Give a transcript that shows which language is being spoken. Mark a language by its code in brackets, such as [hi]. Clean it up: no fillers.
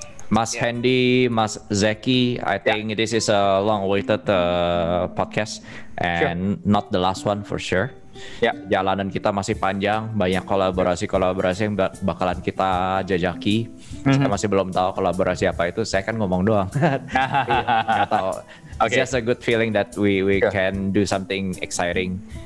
[en] Mas Hendy, Mas Zaki, I think this is a long awaited podcast and not the last one for sure. [id] Ya, jalanan kita masih panjang, banyak kolaborasi-kolaborasi yang bakalan kita jajaki. Kita masih belum tahu kolaborasi apa itu. Saya kan ngomong doang. Gak tahu. Okay. [en] It's just a good feeling that we can do something exciting.